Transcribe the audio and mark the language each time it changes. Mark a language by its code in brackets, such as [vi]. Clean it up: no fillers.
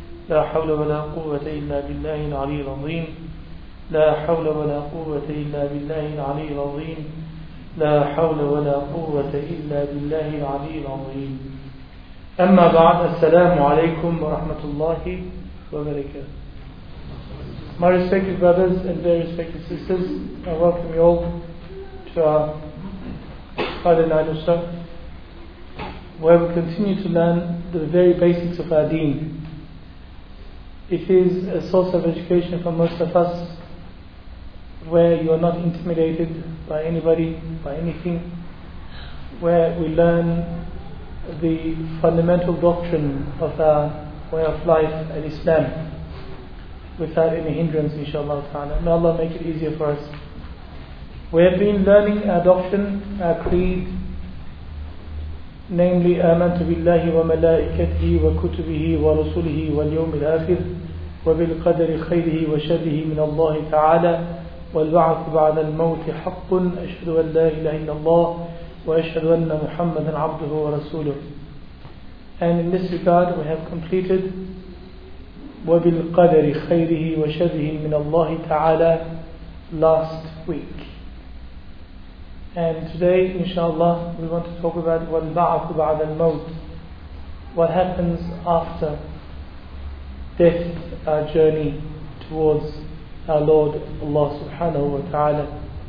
[ar] لا حول ولا قوة إلا بالله العلي العظيم، لا حول ولا قوة إلا بالله العلي العظيم، لا حول ولا قوة إلا بالله العلي العظيم. أما بعد، السلام عليكم ورحمة الله وبركاته. [en] My respected brothers and very respected sisters, I welcome you all to our Friday night of Shaf, where we continue to learn the very basics of our deen. It is a source of education for most of us, where you are not intimidated by anybody, by anything, where we learn the fundamental doctrine of our way of life and Islam without any hindrance, inshallah ta'ala. May Allah make it easier for us. We have been learning our doctrine, our creed, namely [ar] آمنت بالله وملائكته وكتبه ورسله واليوم الآخر وبالقدر خيره وشره من الله تعالى والبعث بعد الموت حق أشهد أن لا إله إلا الله وأشهد أن محمدا عبده ورسوله. [en] And in this regard we have completed [ar] وبالقدر خيره وشره من الله تعالى [en] last week. And today, inshallah, we want to talk about [ar] وَالْبَعْثُ بَعْدَ الْمَوْتِ, [en] what happens after death, our journey towards our Lord Allah subhanahu wa ta'ala.